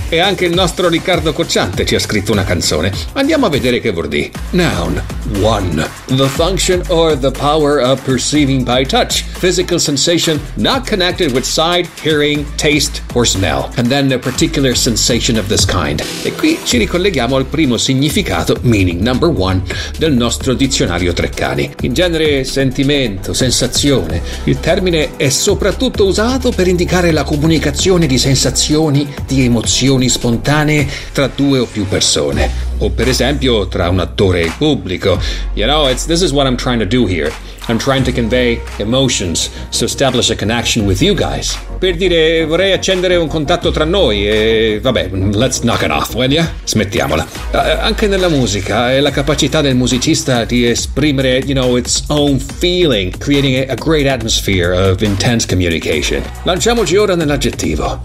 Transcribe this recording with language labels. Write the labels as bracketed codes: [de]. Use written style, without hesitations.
[it] E anche il nostro Riccardo Cocciante ci ha scritto una canzone. Andiamo a vedere che vuol dire. Noun. 1. [en] The function or the power of perceiving by touch. Physical sensation not connected with sight, hearing, taste or smell. And then a particular sensation of this kind. [it] E qui ci ricolleghiamo al primo significato, [en] meaning number 1, [it] del nostro dizionario Treccani. In genere sentimento, sensazione. Il termine è soprattutto usato per indicare la comunicazione di sensazioni, di emozioni spontanee tra due o più persone. O per esempio tra un attore e il pubblico. [en] You know, this is what I'm trying to do here. I'm trying to convey emotions, so establish a connection with you guys. [it] Per dire, vorrei accendere un contatto tra noi e... [en] vabbè, let's knock it off, will ya? [it] Smettiamola. Anche nella musica, è la capacità del musicista di esprimere, [en] you know, its own feeling, creating a great atmosphere of intense communication. [it] Lanciamoci ora nell'aggettivo.